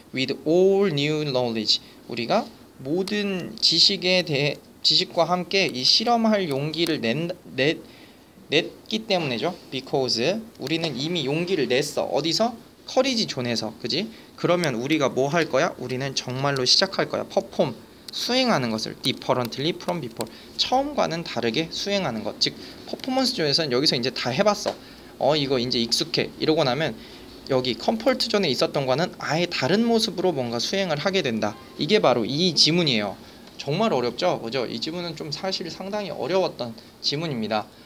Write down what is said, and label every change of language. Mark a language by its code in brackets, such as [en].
[en] With all new knowledge, [ko] 우리가 모든 지식에 대해 지식과 함께 이 실험할 용기를 냈기 때문에죠. Because 우리는 이미 용기를 냈어. 어디서? 커리지 존에서. 그지? 그러면 우리가 뭐할 거야? 우리는 정말로 시작할 거야. [en] Perform. [ko] 수행하는 것을 [en] differently from before. [ko] 처음과는 다르게 수행하는 것. 즉, 퍼포먼스 존에서는 여기서 이제 다 해봤어. 이거 이제 익숙해. 이러고 나면 여기 컴포트 존에 있었던 거는 아예 다른 모습으로 뭔가 수행을 하게 된다. 이게 바로 이 지문이에요. 정말 어렵죠? 그죠? 이 지문은 좀 사실 상당히 어려웠던 지문입니다.